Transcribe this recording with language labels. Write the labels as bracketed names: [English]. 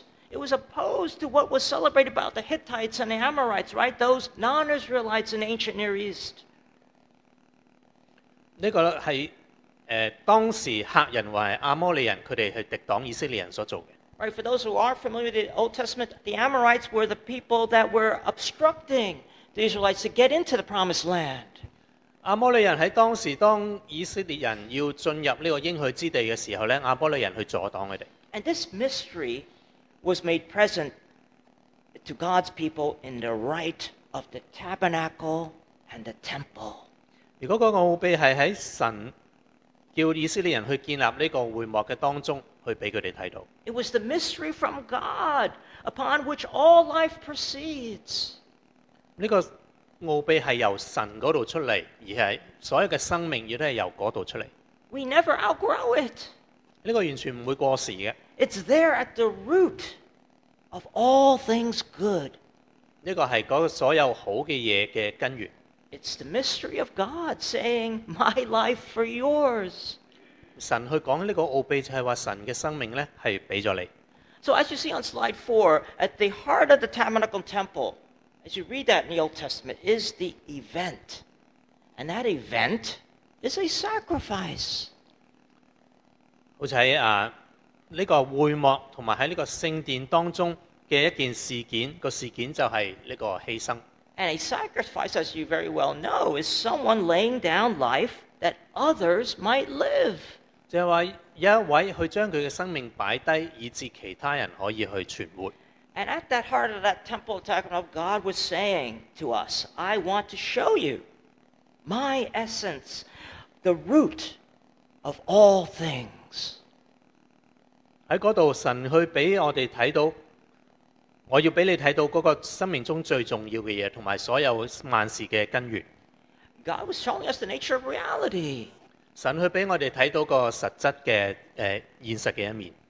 [English] It was opposed to what was celebrated about the Hittites and the Amorites, right? Those non-Israelites in ancient Near East. [Chinese] 这个是当时客人和阿摩利人他们去敌挡以色列人所做的。 [English] Right, for those who are familiar with the Old Testament, the Amorites were the people that were obstructing the Israelites to get into the promised land. [Chinese] 阿摩利人在当时当以色列人要进入这个应许之地的时候阿摩利人去阻挡他们。 [English] And this mystery was made present to God's people in the rite of the tabernacle and the temple. [Chinese] 如果那个奥秘是在神叫以色列人去建立这个会幕的当中去给他们看到。 [English] It was the mystery from God upon which all life proceeds. [Chinese] 这个奧秘是由神那裡出來而是所有的生命也是由那裡出來 [English] We never outgrow it [Chinese] 這個完全不會過時的 [English] It's there at the root of all things good [Chinese] 這個是那所有好的東西的根源 [English] It's the mystery of God saying my life for yours [Chinese] 神去講這個奧秘就是說神的生命是給了你 [English] So as you see on slide 4 at the heart of the tabernacle temple As you read that in the Old Testament, is the event. And that event is a sacrifice. [Chinese] 好像在这个会幕和在这个圣殿当中的一件事件，个事件就是这个牺牲。 [English] And a sacrifice, as you very well know, is someone laying down life that others might live. [Chinese] 就是说有一位去将他的生命摆低，以致其他人可以去存活。 [English] And at that heart of that temple tabernacle, God was saying to us, I want to show you my essence, the root of all things. [Chinese] 在那裡神去給我們看到我要給你看到那個生命中最重要的東西和所有萬事的根源。 [English] God was showing us the nature of reality. [Chinese] 神去給我們看到那個實質的現實的一面。